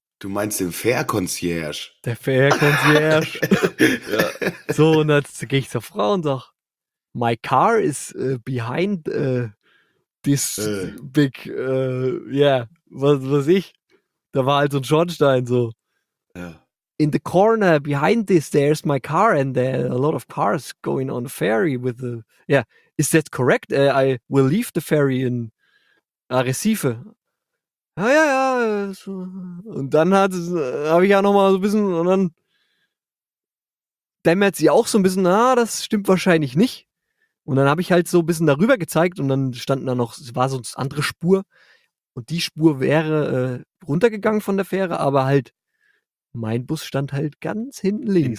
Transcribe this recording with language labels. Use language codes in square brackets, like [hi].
[de] du meinst den Fair-Concierge. Der Fair-Concierge. Ja. So, und jetzt gehe ich zur Frau und sage, [en] my car is behind this big, [de] was ich. Da war halt so ein Schornstein so. Ja. [en] In the corner behind this, there's my car and there are a lot of cars going on the ferry with the, is that correct? I will leave the ferry in Arrecife. [de] Ja. Und dann habe ich ja noch mal so ein bisschen, und dann dämmert sie auch so ein bisschen, das stimmt wahrscheinlich nicht. Und dann habe ich halt so ein bisschen darüber gezeigt und dann standen da noch, es war so eine andere Spur. Und die Spur wäre runtergegangen von der Fähre, aber halt mein Bus stand halt ganz hinten links.